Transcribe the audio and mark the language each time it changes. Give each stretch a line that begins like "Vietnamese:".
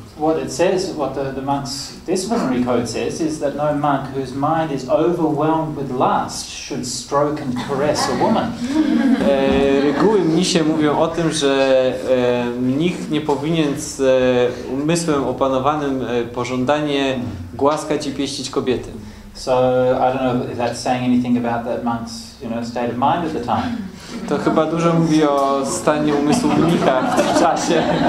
English: What it says, what the monk's disciplinary code says, is that no monk whose mind is overwhelmed with lust should stroke and caress a woman.
Polish: Reguły mnisie mówią o tym, że mnich nie powinien z umysłem opanowanym pożądanie głaskać i pieścić kobiety.
English: So I don't know if that's saying anything about that monk's, you know, state of mind at the time.
Polish: To chyba dużo mówi o stanie umysłu mnicha w tym czasie.